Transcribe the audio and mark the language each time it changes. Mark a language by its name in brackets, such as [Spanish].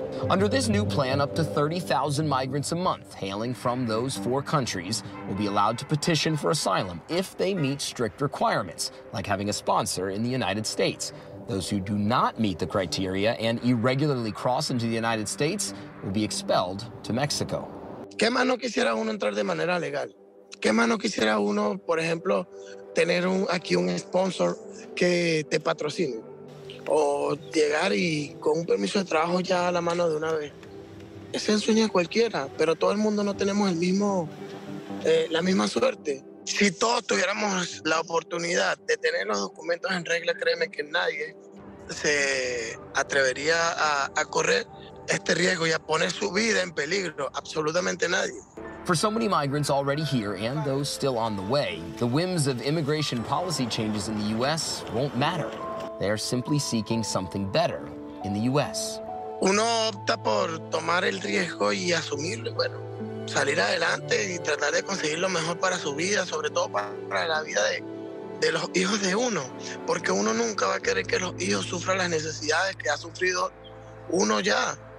[English] Under this new plan, up to 30,000 migrants a month hailing from those 4 countries will be allowed to petition for asylum if they meet strict requirements, like having a sponsor in the United States. Those who do not meet the criteria and irregularly cross into the United States will be expelled to Mexico. [Spanish] ¿Qué más no quisiera uno entrar de manera legal? ¿Qué más no quisiera uno, por ejemplo, tener aquí un sponsor que te patrocine? O llegar y con un permiso de trabajo ya a la mano de una vez. Ese es el sueño de cualquiera, pero todo el mundo no tenemos el mismo, la misma suerte. Si todos tuviéramos la oportunidad de tener los documentos en regla, créeme que nadie se atrevería a correr este riesgo y a poner su vida en peligro? Absolutamente nadie. [English] For so many migrants already here and those still on the way, the whims of immigration policy changes in the U.S. won't matter. They are simply seeking something better in the U.S. [Spanish] Uno opta por tomar el riesgo y asumirlo, bueno, salir adelante y tratar de conseguir lo mejor para su vida, sobre todo para la vida de los hijos de uno, porque uno nunca va a querer que los hijos sufran las necesidades que ha sufrido uno ya.